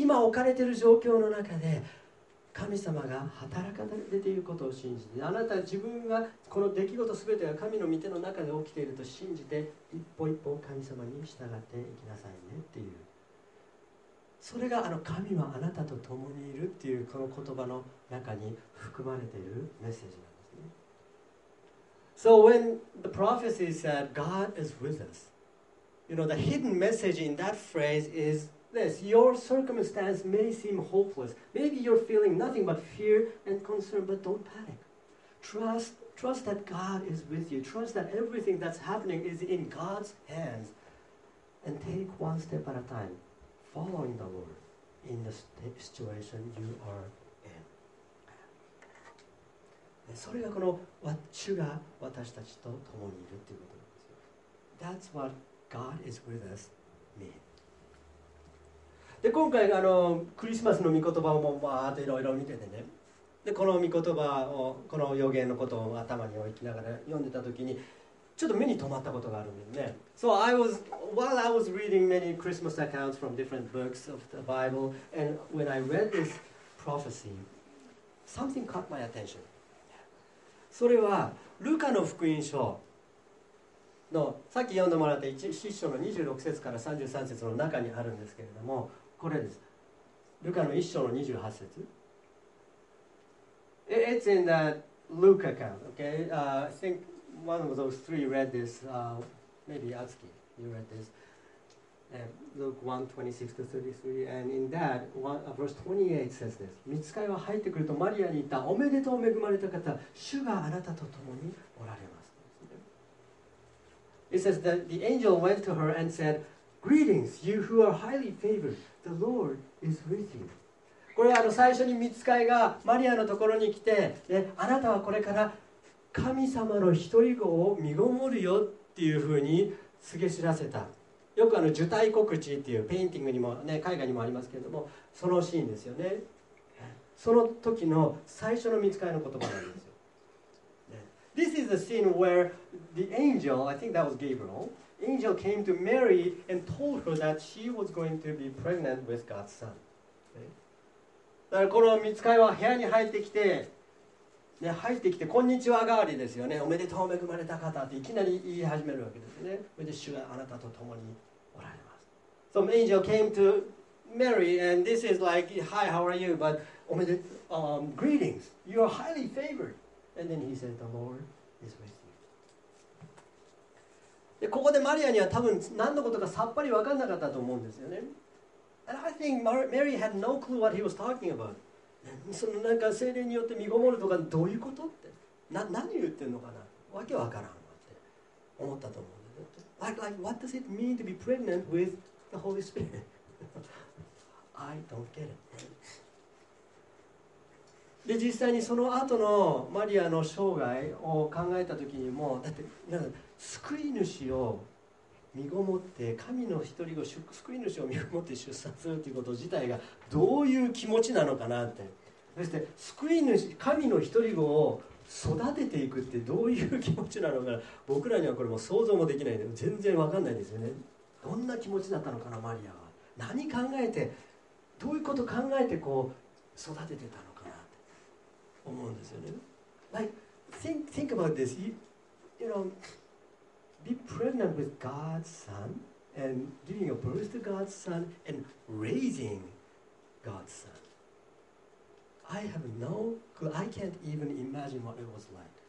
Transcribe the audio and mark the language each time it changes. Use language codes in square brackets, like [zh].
[ja] 今置かれている状況の中で神様が働かれていることを信じて、あなた自分がこの出来事すべてが神の御手の中で起きていると信じて、一歩一歩神様に従っていきなさいねっていう、それがあの神はあなたと共にいるっていうこの言葉の中に含まれているメッセージなんですね。 [en] So when the prophecy said God is with us, you know the hidden message in that phrase isThis, your circumstance may seem hopeless. Maybe you're feeling nothing but fear and concern, but don't panic. Trust that God is with you. Trust that everything that's happening is in God's hands. And take one step at a time, following the Lord in the situation you are in. [ja] それがこの主が私たちと共にいるということなんですよ。 [en] That's what God is with us means. [ja] で今回あのクリスマスの御言葉をわーっといろいろ見ててね、でこの御言葉をこの予言のことを頭に置きながら読んでた時にちょっと目に留まったことがあるんですね。 [en] So I was, while I was reading many Christmas accounts from different books of the Bible, and when I read this prophecy, something caught my attention. [ja] それはルカの福音書のさっき読んでもらった一章の26節から33節の中にあるんですけれども、これです。ルカの1章の28節。 [en] It's in the Luke account, okay?、I think one of those three read this.、maybe Atsuki, you read this.、Luke 1:26-33. And in that, verse 28 says this. [ja] 御使いは入ってくるとマリアに言った。おめでとう恵まれた方、主があなたと共におられます。 [en] It says that the angel went to her and said, Greetings, you who are highly favored. The Lord is with you. [ja] これはあの最初に御使いがマリアのところに来て、ね、あなたはこれから神様の一人子を身ごもるよっていうふうに告げ知らせた。よくあの受胎告知っていうペインティングにも、ね、絵画にもありますけれども、そのシーンですよね。その時の最初の御使いの言葉なんですよ。 [en] This is the scene where the angel, I think that was Gabriel,Angel came to Mary and told her that she was going to be pregnant with God's son.、Okay? [ja] だからこの御使いは部屋に入ってきて、ね、入ってきてこんにちは代わりですよね。おめでとう恵まれた方っていきなり言い始めるわけですね。それで主があなたと共におられます。 [en] So angel came to Mary and this is like, Hi, how are you? But greetings. You are highly favored. And then he said, The Lord is with you. [ja] でここでマリアには多分何のことかさっぱり分かんなかったと思うんですよね。 [en] And I think Mary had no clue what he was talking about. [ja] そのなんか聖霊によって身ごもるとかどういうことって。何言ってんのかな、わけわからんって思ったと思うんですよ。 [en] Like, what does it mean to be pregnant with the Holy Spirit? I don't get it. [ja] で実際にその後のマリアの生涯を考えた時にも、だってなんか救い主を身ごもって神の一人を救い主を身ごもって出産するということ自体がどういう気持ちなのかなって、そして救い主神の一人を育てていくってどういう気持ちなのか、僕らにはこれも想像もできない、全然わかんないですよね。どんな気持ちだったのかな、マリアは何考えて、どういうこと考えてこう育ててたのかなって思うんですよね。 [en] Think about this. You know,be pregnant with God's son and giving a birth to God's son and raising God's son. I have no clue. I can't even imagine what it was like.